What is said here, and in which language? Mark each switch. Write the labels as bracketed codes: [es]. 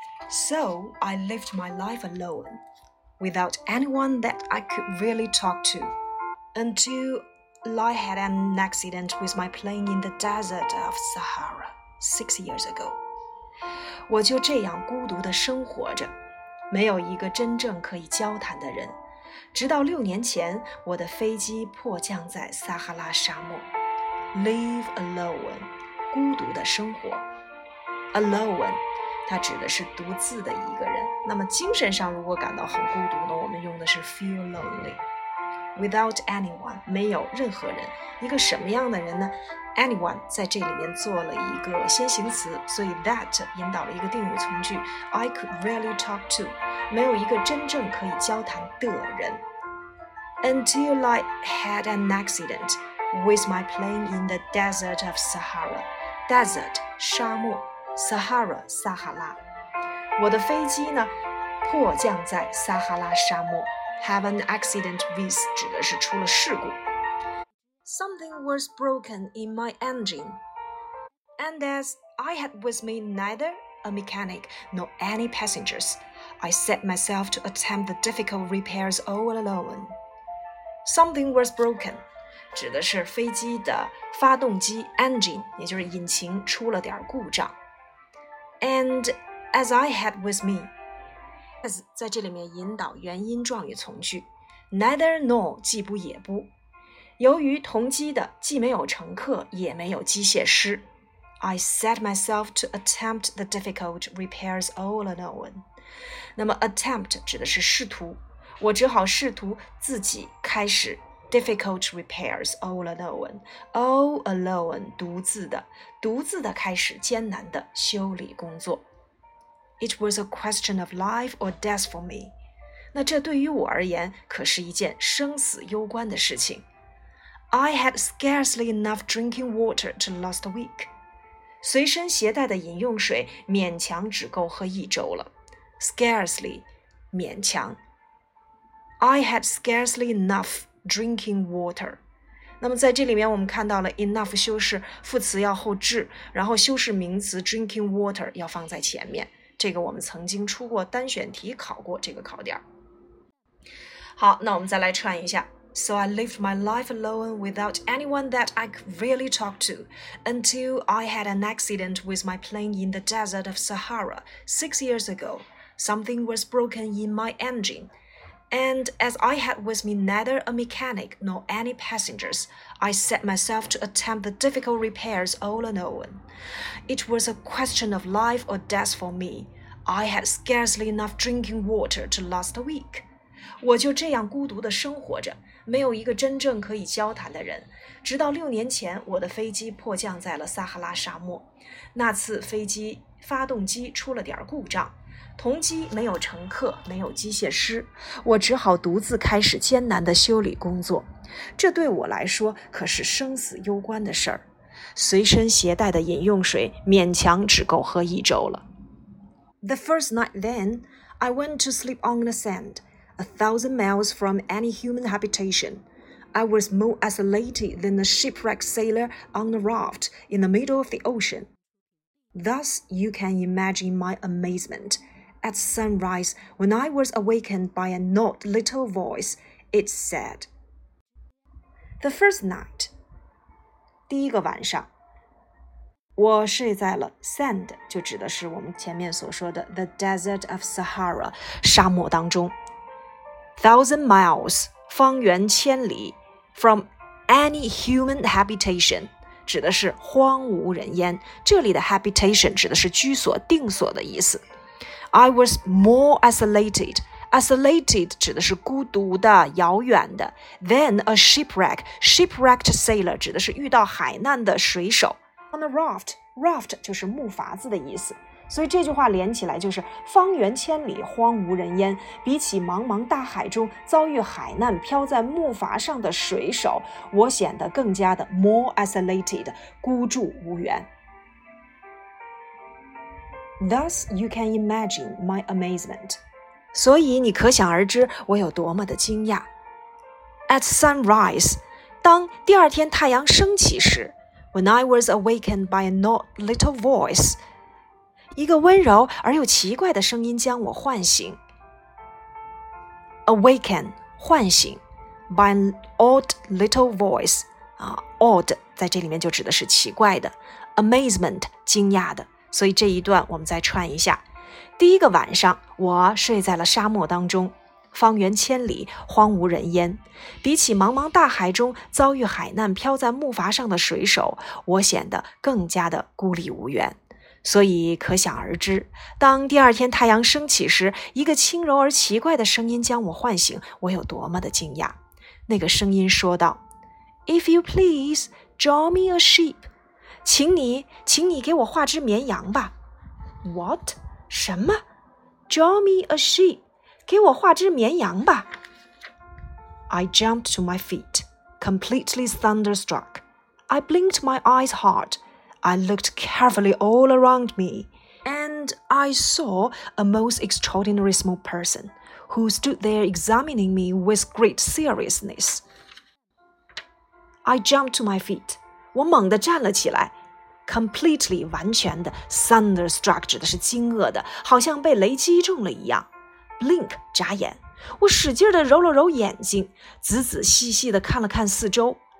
[en] So I lived my life alone, without anyone that I could really talk to, until I had an accident with my plane in the desert of Sahara 6 years ago. [zh] 我就这样孤独地生活着，没有一个真正可以交谈的人，直到6年前，我的飞机迫降在撒哈拉沙漠。 [en] Live alone, [zh] 孤独的生活。Alone, 它指的是独自的一个人。那么精神上如果感到很孤独呢，我们用的是 feel lonely。 [en] Without anyone, [zh] 没有任何人。一个什么样的人呢？ Anyone, 在这里面做了一个先行词，所以 that 引导了一个定语从句。 [en] I could really talk to, [zh] 没有一个真正可以交谈的人。 [en] Until I had an accident,With my plane in the desert of Sahara. [zh] Desert, 沙漠 Sahara, 撒哈拉。我的飞机呢迫降在撒哈拉沙漠。 [en] Have an accident with [zh] 指的是出了事故。 [en] Something was broken in my engine. And as I had with me neither a mechanic nor any passengers, I set myself to attempt the difficult repairs all alone. Something was broken. [zh] 指的是飞机的发动机 engine, 也就是引擎出了点故障。 [en] And as I had with me, as [zh] 在这里面引导原因状语从句 [en] ,neither nor [zh] 既不也不。由于同机的既没有乘客也没有机械师 [en] ,I set myself to attempt the difficult repairs all alone. [zh] 那么 attempt 指的是试图，我只好试图自己开始 [en] Difficult repairs all alone, all alone, [zh] 独自的开始艰难的修理工作。 [en] It was a question of life or death for me. [zh] 那这对于我而言可是一件生死攸关的事情。 [en] I had scarcely enough drinking water to last a week. [zh] 随身携带的饮用水勉强只够喝一周了。 Scarcely, 勉强。 [en] I had scarcely enough. Drinking water. [zh] 那么在这里面我们看到了 enough 修饰副词要后置，然后修饰名词 drinking water 要放在前面。这个我们曾经出过单选题考过这个考点。好，那我们再来串一下。 [en] So I lived my life alone without anyone that I could really talk to until I had an accident with my plane in the desert of Sahara 6 years ago. Something was broken in my engine. And as I had with me neither a mechanic nor any passengers, I set myself to attempt the difficult repairs all alone. It was a question of life or death for me. I had scarcely enough drinking water to last a week. [zh] 我就这样孤独地生活着，没有一个真正可以交谈的人。直到6年前，我的飞机迫降在了撒哈拉沙漠。那次飞机发动机出了点故障。同机没有乘客，没有机械师，我只好独自开始艰难的修理工作。这对我来说可是生死攸关的事儿。随身携带的饮用水勉强只够喝一周了。 [en] The first night then, I went to sleep on the sand, 1,000 miles from any human habitation. I was more isolated than a shipwrecked sailor on a raft in the middle of the ocean. Thus, you can imagine my amazement. At sunrise, when I was awakened by a not little voice, it said, The first night, [zh] 第一个晚上，我睡在了 sand, 就指的是我们前面所说的 the desert of Sahara, 沙漠当中。 1,000 miles, 方圆千里 [en] from any human habitation, [zh] 指的是荒无人烟。这里的 habitation 指的是居所、定所的意思。 [en] I was more isolated. [zh] Isolated 指的是孤独的、遥远的。 [en] Then a shipwreck. Shipwrecked sailor [zh] 指的是遇到海难的水手。 [en] On a raft. [zh] Raft 就是木筏子的意思。所以这句话连起来就是方圆千里荒无人烟。比起茫茫大海中遭遇海难飘在木筏上的水手，我显得更加的 [en] more isolated, [zh] 孤注无援。 [en] Thus, you can imagine my amazement. [zh] 所以你可想而知我有多么的惊讶。 [en] At sunrise, [zh] 当第二天太阳升起时 [en] When I was awakened by a not little voice, [zh] 一个温柔而又奇怪的声音将我唤醒。 Awaken, 唤醒 [en] by an odd little voice, [zh] odd 在这里面就指的是奇怪的 amazement, 惊讶的。所以这一段我们再串一下。第一个晚上我睡在了沙漠当中，方圆千里荒无人烟，比起茫茫大海中遭遇海难飘在木筏上的水手，我显得更加的孤立无援。所以可想而知，当第二天太阳升起时，一个轻柔而奇怪的声音将我唤醒，我有多么的惊讶。那个声音说道， [en] If you please, draw me a sheep. [zh] 请你给我画只绵羊吧。 [en] What? [zh] 什么？ [en] Draw me a sheep. 给我画只绵羊吧。 I jumped to my feet, completely thunderstruck. I blinked my eyes hard. I looked carefully all around me, and I saw a most extraordinary small person who stood there examining me with great seriousness. I jumped to my feet. [zh] 我猛地站了起来。 Completely, 完全的 thunderstruck 指的是惊愕的，好像被雷击中了一样。 Blink, 眨眼，我使劲地揉了揉眼睛，仔仔细细地看了看四周。